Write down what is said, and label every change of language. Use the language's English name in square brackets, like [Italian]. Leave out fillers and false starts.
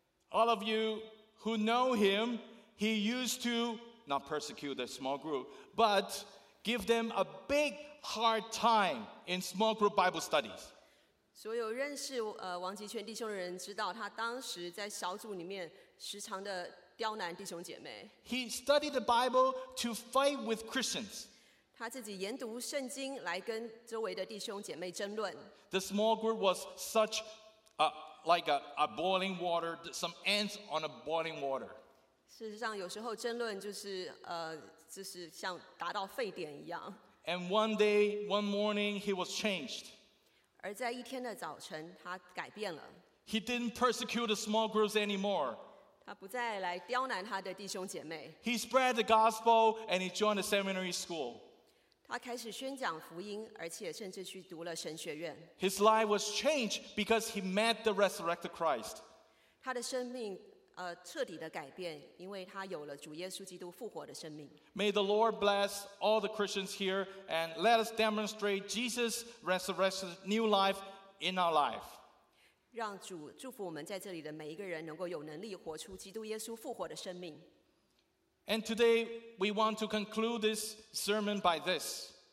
[English] All of you who know him,He used to not persecute the small group, but give them a big hard time in small group Bible studies. [Chinese] 所有认识王吉全弟兄的人知道，他当时在小组里面时常的刁难弟兄姐妹。 [English] He studied the Bible to fight with Christians. [Chinese] 他自己研读圣经来跟周围的弟兄姐妹争论。 [English] The small group was such a boiling water, some ants on a boiling water. [Chinese] 事实上，有时候争论就是像达到沸点一样。 [English] And one day, one morning, he was changed. [Chinese] 而在一天的早晨，他改变了。 [English] He didn't persecute the small groups anymore. [Chinese] 他不再来刁难他的弟兄姐妹。 [English] He spread the gospel and he joined a seminary school. [Chinese] 他开始宣讲福音，而且甚至去读了神学院。 [English] His life was changed because he met the resurrected Christ. [Chinese] 他的生命。彻底的改变，因为他有了主耶稣基督复活的生命。 [English] May the Lord bless all the Christians here and let us demonstrate Jesus' resurrection new life in our life. [Chinese] 让主祝福我们在这里的每一个人能够有能力活出基督耶稣复活的生命。 [English] And today we want to conclude this sermon by this.